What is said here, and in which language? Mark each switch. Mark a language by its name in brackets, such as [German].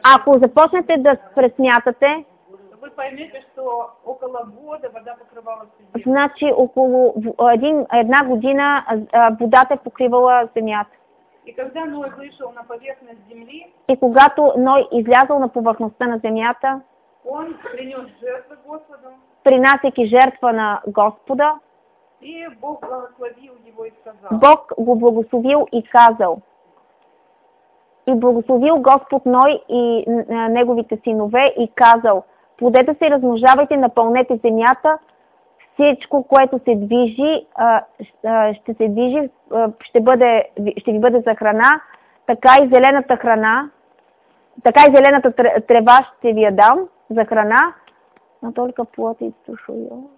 [Bulgarian] ако започнете да пресмятате, [Russian] вы поймете, что около года вода покрывала землю. [Bulgarian] Значи около една година водата е покривала земята. [Russian] И когда Ной вышел на поверхность земли, [Bulgarian] и когато Ной излязъл на повърхността на земята, [Russian] он принес жертву Господу, [Bulgarian] принасяйки жертва на Господа, [Russian] и Бог благословил его и сказал. [Bulgarian] Бог го благословил и казал. И благословил Господ Ной и неговите синове и казал: плодете се и размножавайте, напълнете земята, всичко, което се движи, ще се движи, ще ви бъде за храна, така и зелената храна, така и зелената трева ще ви я дам за храна, но только плът и сушуя.